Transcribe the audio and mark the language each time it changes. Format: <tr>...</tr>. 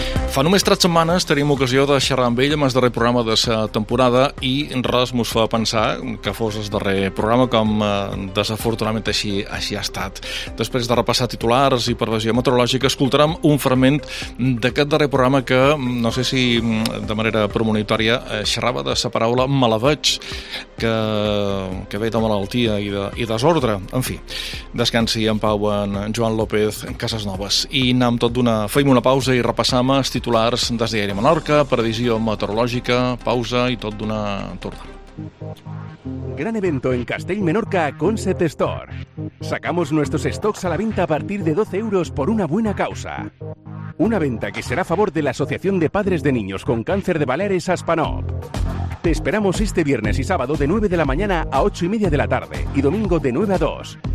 <ca>Fa només 3 setmanes tenim ocasió de xerrar amb ell en el darrer programa de la temporada i res mos fa pensar que fos el darrer programa, com desafortunadament així ha estat. Després de repassar titulars i previsió meteorològica, escoltarem un fragment d'aquest darrer programa que, no sé si de manera premonitòria, xerrava de la paraula malaveig, que ve de malaltia i desordre. En fi, descansi en pau en Joan López en Casasnovas. I anem tot d'una... Fem una pausa i repassam els titulars des d'Aire Menorca, previsió meteorològica, pausa i tot d'una torna.</ca> <es>Gran evento en Castell Menorca, Concept Store. Sacamos nuestros stocks a la venta a partir de 12 euros por una buena causa. Una venta que será a favor de la Asociación de Padres de Niños con Cáncer de Baleares, Aspanop. Te esperamos este viernes y sábado de 9 de la mañana a 8 y media de la tarde y domingo de 9 a 2.</es>